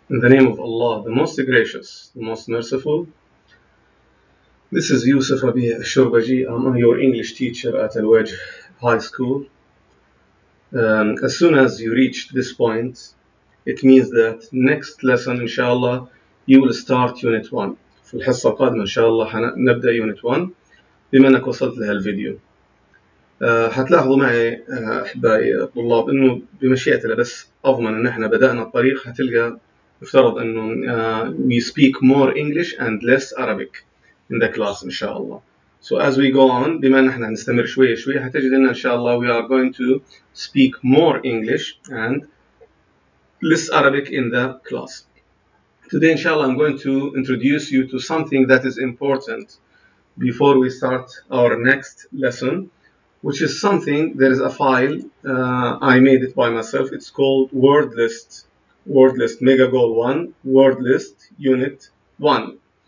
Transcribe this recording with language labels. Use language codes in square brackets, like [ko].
[en] In the name of Allah, the most gracious, the most merciful. This is Yusuf Abiy Shurbaji. I'm your English teacher at Al-Wajh High School. As soon as you reach this point, it means that next lesson, inshallah, you will start Unit 1. [ar] في الحصة القادمة, inshallah, نبدأ Unit 1 بما أنك وصلت لها الفيديو. هتلاحظوا معي أحبائي الطلاب أنه بمشيئة الله, بس أضمن أن احنا بدأنا الطريق, هتلقى يفترض أنه [en] we speak more English and less Arabic in the class [ar] إن شاء الله. [en] So as we go on, [ar] بما أن احنا نستمر شوية شوية, هتجد أن إن شاء الله [en] we are going to speak more English and less Arabic in the class. Today إن شاء الله I'm going to introduce you to something that is important before we start our next lesson, which is something, there is a file, I made it by myself, it's called Word List, Mega Goal 1, Word List, Unit 1.